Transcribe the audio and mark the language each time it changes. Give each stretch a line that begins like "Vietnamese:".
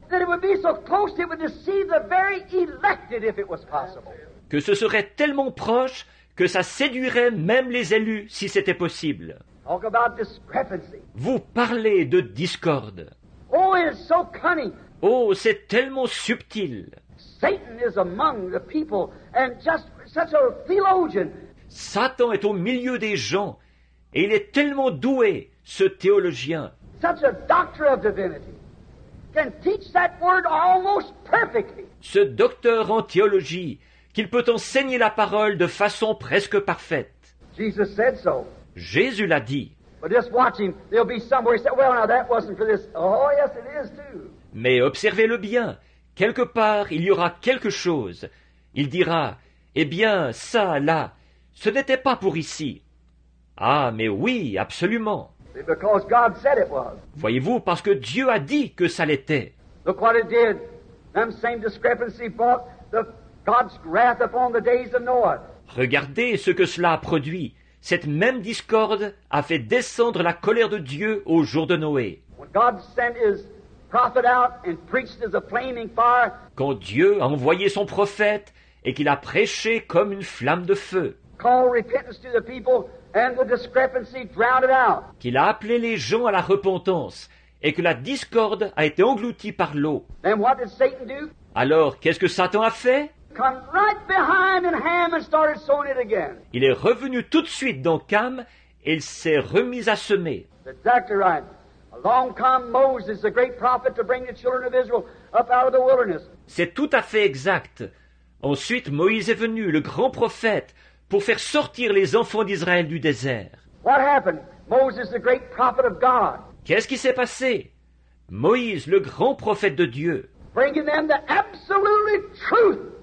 English: that it would be so close it would deceive the very elected if it was possible.
French: Que ce serait tellement proche que ça séduirait même les élus si c'était possible.
English: Talk about discrepancy.
French: Vous parlez de discorde.
English: Oh, it's so cunning.
French: Oh, c'est tellement subtil.
English: Satan is among the people and just such a theologian.
French: Satan est au milieu des gens et il est tellement doué, ce théologien.
English: Such a doctor of divinity can teach that word almost perfectly.
French: Ce docteur en théologie qu'il peut enseigner la parole de façon presque parfaite.
English: Jesus said so.
French: Jésus l'a dit.
English: But just watch him, there'll be somewhere he said, well, now that wasn't for this. Oh, yes, it is too.
French: Mais observez-le bien. Quelque part, il y aura quelque chose. Il dira, eh bien, ça, là, ce n'était pas pour ici. Ah, mais oui, absolument.
English: Because God said it was.
French: Voyez-vous, parce que Dieu a dit que ça l'était.
English: Look what it did. Them same discrepancy brought the God's wrath upon the days of Noah.
French: Regardez ce que cela a produit. Cette même discorde a fait descendre la colère de Dieu au jour de Noé.
English: When God sent his prophet out and preached as a flaming fire.
French: Quand Dieu a envoyé son prophète et qu'il a prêché comme une flamme de feu.
English: Call repentance to the people and the discrepancy drowned it out.
French: Qu'il a appelé les gens à la repentance et que la discorde a été engloutie par l'eau.
English: Then what did Satan do?
French: Alors, qu'est-ce que Satan a fait?
English: Come right behind in Ham and started sowing it again.
French: Il est revenu tout de suite dans Cam et il s'est remis à semer.
English: The Zechariah, along come Moses, the great prophet, to bring the children of Israel up out of the wilderness.
French: C'est tout à fait exact. Ensuite, Moïse est venu, le grand prophète, pour faire sortir les enfants d'Israël du désert.
English: What happened? Moses, the great prophet of God.
French: Qu'est-ce qui s'est passé? Moïse, le grand prophète de Dieu.
English: Bringing them the absolutely truth.